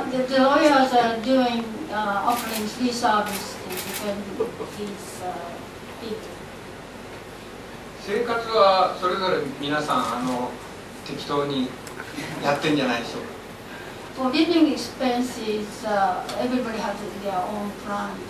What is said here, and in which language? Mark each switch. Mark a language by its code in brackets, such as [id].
[en] The lawyers are doing offering free service to defend these people. [ja] 生活はそれぞれ皆さん適当にやってんじゃないでしょうか。 [en] For living expenses, everybody has their own plans.